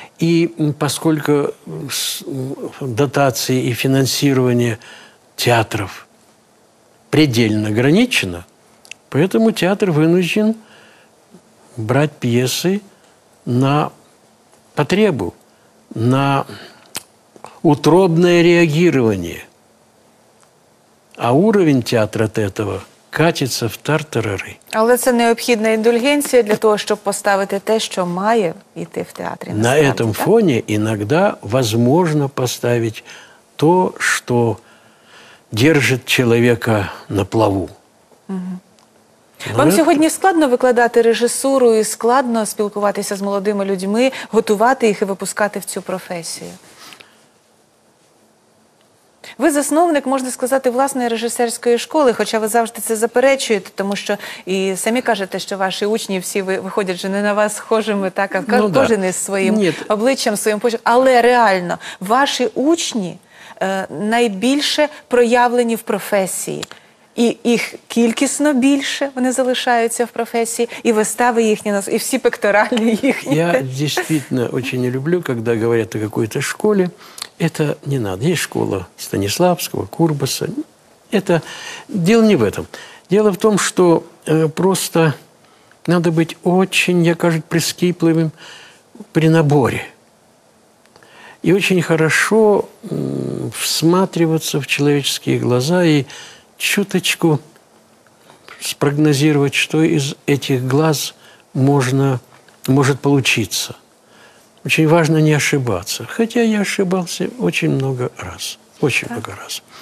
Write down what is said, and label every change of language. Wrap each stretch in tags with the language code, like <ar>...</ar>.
<ru>И поскольку дотации и финансирование театров предельно ограничено, поэтому театр вынужден брать пьесы на потребу, на утробное реагирование. А уровень театра от этого катится в тартарары.</ru> <uk>Але це необхідна індульгенція для того, щоб поставити те, що має йти в театрі.</uk> <ru>На этом так? фоне иногда возможно поставить то, что держит человека на плаву.</ru> <uk>Вам але... сьогодні складно викладати режисуру і складно спілкуватися з молодими людьми, готувати їх і випускати в цю професію? Ви засновник, можна сказати, власної режисерської школи, хоча ви завжди це заперечуєте, тому що і самі кажете, що ваші учні всі виходять же не на вас схожими, так, а кожен із своїм обличчям, своїм почерком. Але реально, ваші учні найбільше проявлені в професії. і їх кількісно більше вони залишаються в професії, і вистави їхні, і всі пекторальні їхні. Я дійсно дуже не люблю, коли говорять о якійсь школі. Це не треба. Є школа Станіславського, Курбаса. Це діло не в цьому. Діло в тому, що просто треба бути дуже, я кажу, прискіпливим при наборі.</uk> <ru>И очень хорошо всматриваться в человеческие глаза и чуточку спрогнозировать, что из этих глаз может получиться. Очень важно не ошибаться. Хотя я ошибался очень много раз. Очень много раз.</ru>